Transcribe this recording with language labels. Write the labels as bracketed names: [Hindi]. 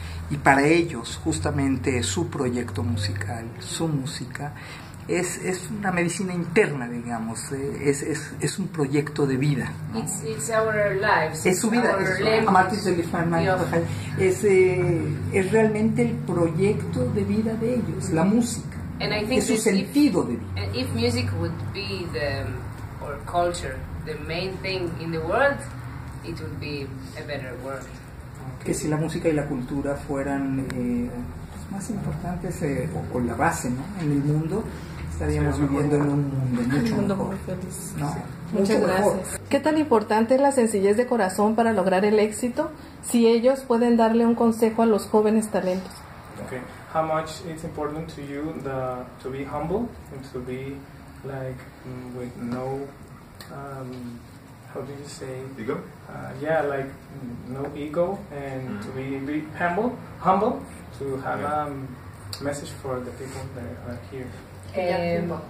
[Spanish] Y para ellos justamente su proyecto musical, su música, es una medicina interna, digamos, es un proyecto de vida, ¿no? [English] It's our lives. [Spanish] Es su vida, es realmente el proyecto de vida de ellos, la música. [English] And I think [Spanish] es su sentido de vida. [English] If music would be the or culture the main thing in the world, it would be a better world. [Spanish] Que si la música y la cultura fueran más importantes o la base, ¿no? En el mundo estaríamos viviendo en un mundo mucho mundo mejor. No, sí. Muchas mucho gracias. Mejor. ¿Qué tan importante es la sencillez de corazón para lograr el éxito? Si ellos pueden darle un consejo a los jóvenes talentos. [English] Okay, how much it's important to you the to be humble and to be like with no how do you say ego? Yeah, like no ego and to be humble to have a message for the people that are here.